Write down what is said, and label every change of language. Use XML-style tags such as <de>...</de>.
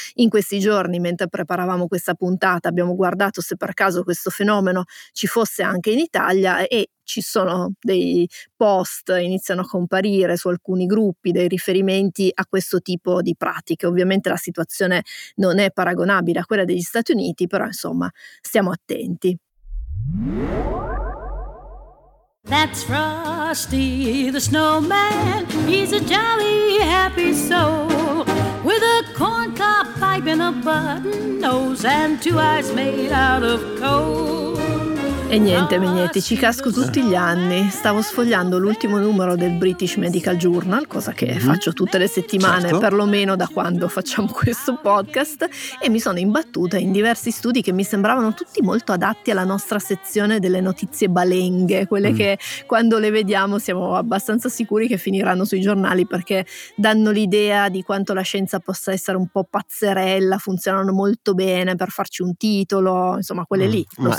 <it>In questi giorni, mentre preparavamo questa puntata, abbiamo guardato se per caso questo fenomeno ci fosse anche in Italia e ci sono dei post, iniziano a comparire su alcuni gruppi dei riferimenti a questo tipo di pratiche. Ovviamente la situazione non è paragonabile a quella degli Stati Uniti, però insomma stiamo attenti.</it> <en>That's Frosty the Snowman, he's a jolly happy soul, with a corncob pipe and a button nose and two eyes made out of coal.</en> <it>E niente, Mignetti, ci casco tutti gli anni. Stavo sfogliando l'ultimo numero del British Medical Journal, cosa che faccio tutte le settimane, certo, perlomeno da quando facciamo questo podcast, e mi sono imbattuta in diversi studi che mi sembravano tutti molto adatti alla nostra sezione delle notizie balenghe, quelle che quando le vediamo siamo abbastanza sicuri che finiranno sui giornali perché danno l'idea di quanto la scienza possa essere un po' pazzerella, funzionano molto bene per farci un titolo, insomma quelle lì, lo</it>